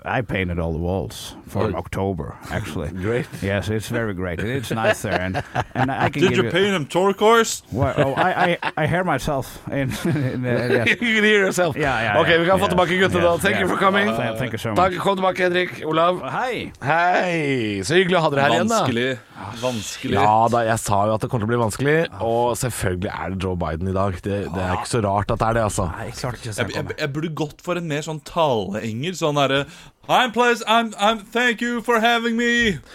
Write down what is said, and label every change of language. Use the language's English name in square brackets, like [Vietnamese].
[English] I painted all the walls for October, actually. Great. Yes, it's very great. It's nice there. And I can Did give you paint them turquoise? I hear myself. Yes. You can hear yourself. Yeah. Okay, yeah, we got Fulton Bucky Gutter, though. Thank you for coming. Thank you so much. [Norwegian] Takk, Fulton Bucky, Henrik, Olav. Hei. Så hyggelig å ha dere her igjen, da. Vanskelig. Ja, da, jeg sa jo at det kommer til å bli vanskelig. Og selvfølgelig er det Joe Biden i dag. Det er ikke så rart at det er det, altså. Nei, klart ikke å se på meg. Jeg burde gått for en mer sånn tale-engelsk, sånn her. [English] I'm thank you for having me.